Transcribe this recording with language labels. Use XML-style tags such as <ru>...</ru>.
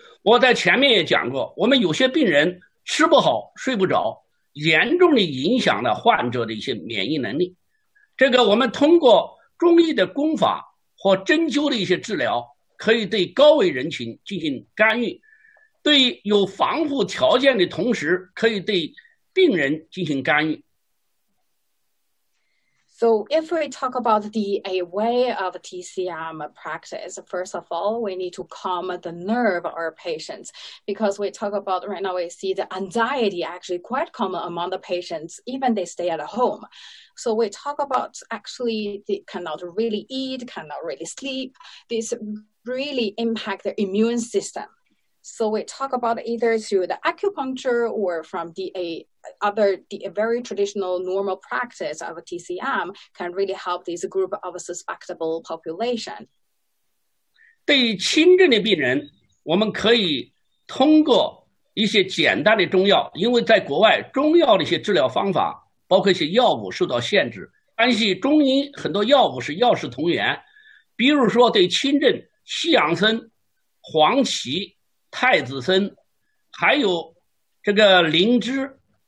<zh>我在前面也讲过，我们有些病人吃不好睡不着，严重的影响了患者的一些免疫能力。这个我们通过中医的功法或针灸的一些治疗，可以对高危人群进行干预，对有防护条件的同时，可以对病人进行干预。</zh> <en>So if we talk about the a way of TCM practice, first of all, we need to calm the nerve of our patients, because we talk about right now, we see the anxiety actually quite common among the patients, even they stay at home. So we talk about actually they cannot really eat, cannot really sleep. This really impact their immune system. So we talk about either through the acupuncture or from the very traditional normal practice of a TCM can really help this group of susceptible population.</en> <zh>对于轻症的病人，我们可以通过一些简单的中药，因为在国外中药的一些治疗方法，包括一些药物受到限制。但是中医很多药物是药食同源，比如说对轻症，西洋参、黄芪、太子参，还有这个灵芝。</zh>